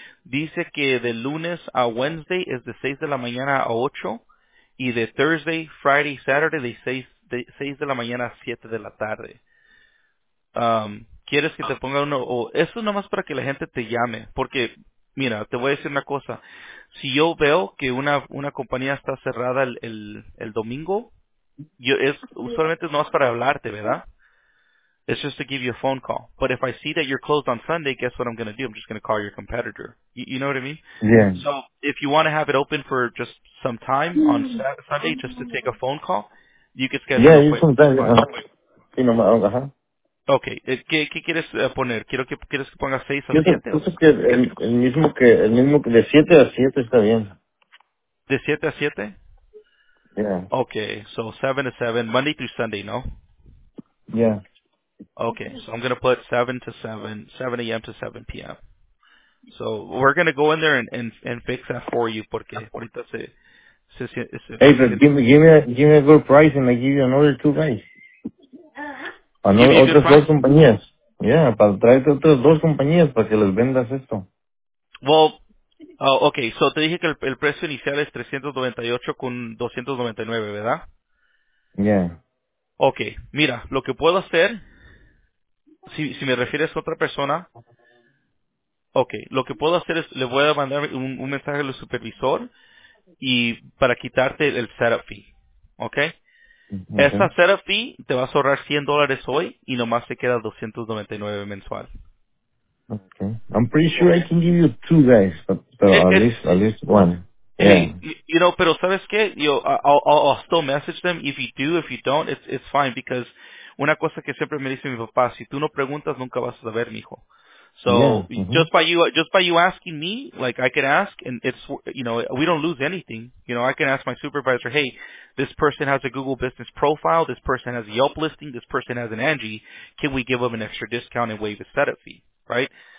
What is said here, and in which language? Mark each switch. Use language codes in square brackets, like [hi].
[es] Dice que de lunes a Wednesday es de 6 de la mañana a 8 y de Thursday, Friday, Saturday de 6 de la mañana a 7 de la tarde. ¿Quieres que te ponga uno? Eso nomás para que la gente te llame. Porque, mira, te voy a decir una cosa. Si yo veo que una compañía está cerrada el domingo, usualmente es nomás para hablarte, ¿verdad? [en] It's just to give you a phone call. But if I see that you're closed on Sunday, guess what I'm going to do? I'm just going to call your competitor. You know what I mean? Yeah. So if you want to have it open for just some time on Sunday just to take a phone call, you can schedule it. Yeah, [es] Okay. ¿Qué quieres poner? ¿Quieres que pongas 6 a 7? El mismo que de 7 a 7 está bien. ¿De 7 a 7? Yeah. [en] Okay. So 7 to 7, Monday through Sunday, no? Yeah. Okay, so I'm going to put 7 to 7, 7 a.m. to 7 p.m. So we're going to go in there and fix that for you, [es] porque ahorita se... [en] Hey, but give me a good price and I give you another 2 guys. [es] Otras 2 compañías. Yeah, para traerte otras 2 compañías para que les vendas esto. Well, okay, so te dije que el precio inicial es 398 con 299, ¿verdad? Yeah. Okay, mira, lo que puedo hacer... Si me refieres a otra persona, okay, lo que puedo hacer es, le voy a mandar un mensaje al supervisor y para quitarte el setup fee, okay? Esa setup fee te vas a ahorrar $100 hoy y nomás te queda $299 mensual. [en] Okay, I'm pretty sure I can give you 2 guys, but at least one. Yeah. Hey, you know, [es] pero ¿sabes qué? [en] I'll still message them. If you do, if you don't, it's fine because... [es] Una cosa que siempre me dice mi papá, si tú no preguntas, nunca vas a saber, mijo. [en] So, just by you asking me, like, I can ask, and it's, you know, we don't lose anything. You know, I can ask my supervisor, hey, this person has a Google business profile, this person has a Yelp listing, this person has an Angie, can we give them an extra discount and waive a setup fee, right?